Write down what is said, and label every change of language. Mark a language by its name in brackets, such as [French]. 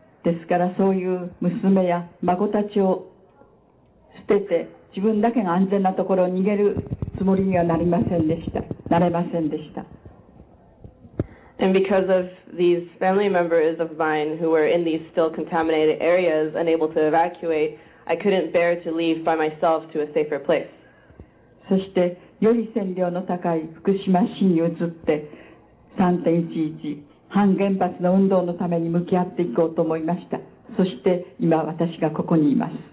[Japanese] ですからそういう娘や孫たちを捨てて自分だけが安全なところを逃げるつもりにはなりませんでした。なれませんでした。 [English] And because of these family members of mine who were in these still contaminated areas, unable to evacuate, I couldn't bear to leave by myself to a safer place. [Japanese] そしてより線量の高い福島市に移って、3.11 反原発の運動のために向き合っていこうと思いました。そして今私がここにいます。